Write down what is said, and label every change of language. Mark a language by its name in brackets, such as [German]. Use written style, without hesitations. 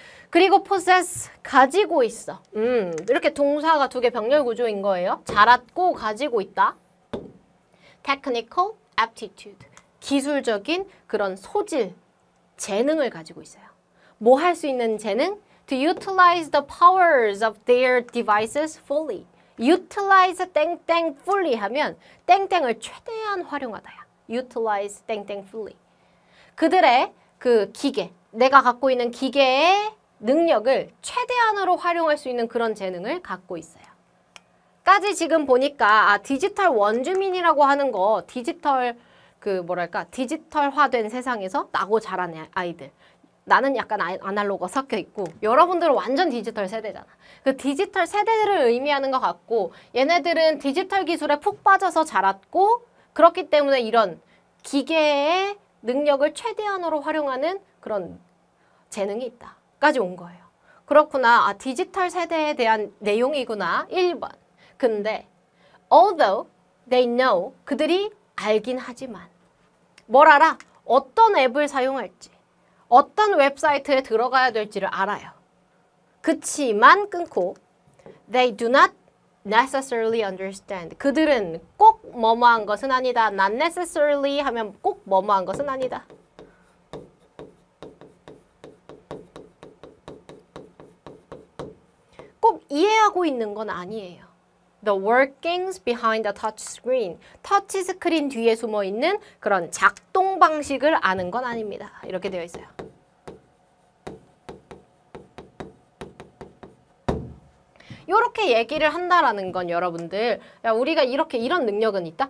[Korean] 그리고 possess, 가지고 있어. 이렇게 동사가 두개 병렬 구조인 거예요. 자랐고 가지고 있다. technical aptitude, 기술적인 그런 소질, 재능을 가지고 있어요. 뭐할수 있는 재능? [English] to utilize the powers of their devices fully. [Korean] utilize 땡땡 fully 하면 땡땡을 최대한 활용하다야. utilize 땡땡 fully. 그들의 그 기계, 내가 갖고 있는 기계의 능력을 최대한으로 활용할 수 있는 그런 재능을 갖고 있어요. 까지 지금 보니까, 아, 디지털 원주민이라고 하는 거, 디지털, 그, 뭐랄까, 디지털화된 세상에서 나고 자란 아이들. 나는 약간 아날로그 섞여 있고, 여러분들은 완전 디지털 세대잖아. 그 디지털 세대들을 의미하는 것 같고, 얘네들은 디지털 기술에 푹 빠져서 자랐고, 그렇기 때문에 이런 기계의 능력을 최대한으로 활용하는 그런 재능이 있다. 까지 온 거예요. 그렇구나. 아, 디지털 세대에 대한 내용이구나. 1번. 근데, [English] although they know, [Korean] 그들이 알긴 하지만, 뭘 알아? 어떤 앱을 사용할지, 어떤 웹사이트에 들어가야 될지를 알아요. 그치만 끊고, [English] they do not necessarily understand. [Korean] 그들은 꼭 뭐뭐한 것은 아니다. not necessarily 하면 꼭 뭐뭐한 것은 아니다. 꼭 이해하고 있는 건 아니에요. [English] The workings behind the touch screen. [Korean] 터치 스크린 뒤에 숨어 있는 그런 작동 방식을 아는 건 아닙니다. 이렇게 되어 있어요. 이렇게 얘기를 한다라는 건 여러분들, 야, 우리가 이렇게 이런 능력은 있다?